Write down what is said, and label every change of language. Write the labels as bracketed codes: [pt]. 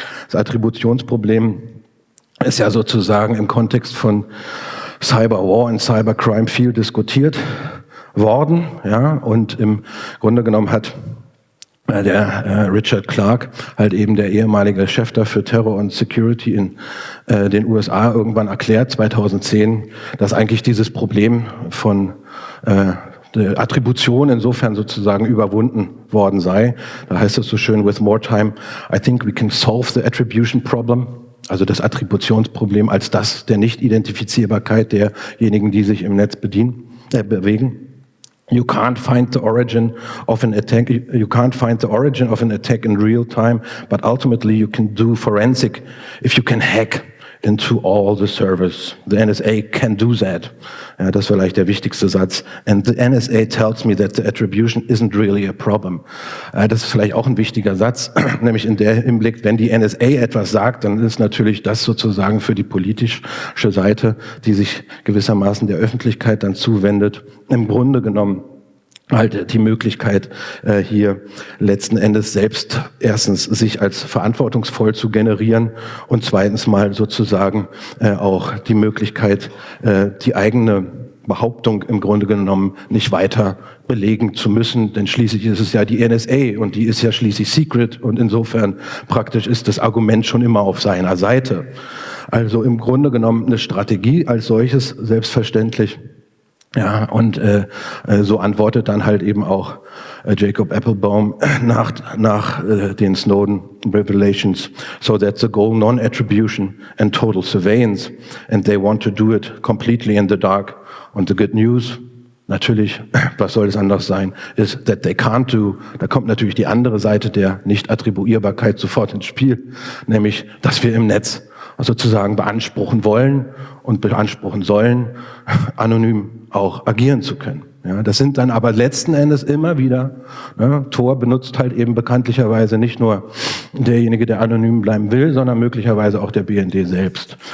[de] Das Attributionsproblem ist ja sozusagen im Kontext von Cyberwar und Cybercrime viel diskutiert worden, ja, und im Grunde genommen hat der Richard Clark, halt eben der ehemalige Chef dafür Terror und Security in den USA, irgendwann erklärt, 2010, dass eigentlich dieses Problem von der Attribution insofern sozusagen überwunden worden sei. Da heißt es so schön, [en] with more time, I think we can solve the attribution problem. [de] Also das Attributionsproblem als das der Nicht-Identifizierbarkeit derjenigen, die sich im Netz bewegen. [en] You can't find the origin of an attack. You can't find the origin of an attack in real time, but ultimately you can do forensic if you can hack into all the servers. The NSA can do that. [de] Ja, das ist vielleicht der wichtigste Satz. [en] And the NSA tells me that the attribution isn't really a problem. [de] Das ist vielleicht auch ein wichtiger Satz, nämlich in der Hinblick, wenn die NSA etwas sagt, dann ist natürlich das sozusagen für die politische Seite, die sich gewissermaßen der Öffentlichkeit dann zuwendet, im Grunde genommen halt die Möglichkeit, hier letzten Endes selbst erstens sich als verantwortungsvoll zu generieren und zweitens mal sozusagen auch die Möglichkeit, die eigene Behauptung im Grunde genommen nicht weiter belegen zu müssen, denn schließlich ist es ja die NSA und die ist ja schließlich secret und insofern praktisch ist das Argument schon immer auf seiner Seite. Also im Grunde genommen eine Strategie als solches selbstverständlich. Ja, und so antwortet dann halt eben auch Jacob Applebaum nach den Snowden Revelations, [en] so that's the goal, non-attribution and total surveillance, and they want to do it completely in the dark. And the good news, [de] natürlich, was soll es anders sein, [en] is that they can't do. [de] Da kommt natürlich die andere Seite der Nicht-Attribuierbarkeit sofort ins Spiel, nämlich, dass wir im Netz sozusagen beanspruchen wollen und beanspruchen sollen, anonym auch agieren zu können. Ja, das sind dann aber letzten Endes immer wieder, ne, Tor benutzt halt eben bekanntlicherweise nicht nur derjenige, der anonym bleiben will, sondern möglicherweise auch der BND selbst.